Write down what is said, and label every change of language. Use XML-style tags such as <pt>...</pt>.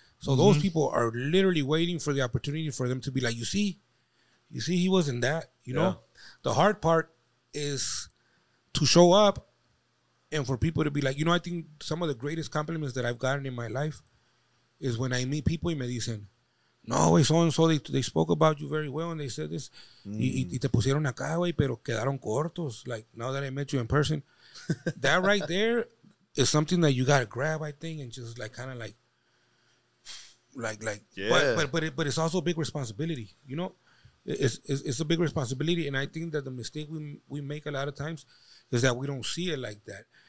<en>So those people are literally waiting for the opportunity for them to be like, You see, he wasn't that, you know? The hard part is to show up and for people to be like, you know, I think some of the greatest compliments that I've gotten in my life is when I meet people and</en> <es>me dicen, no, wey,</es> <en>so-and-so, they spoke about you very well and they said this. Mm.</en> <es>Y te pusieron acá, wey, pero quedaron cortos.</es> <en>Like, now that I met you in person. That right there is something that you got to grab, I think, and just like kind of like. But it's also a big responsibility, you know? it's a big responsibility. And I think that the mistake we make a lot of times is that we don't see it like that.</en>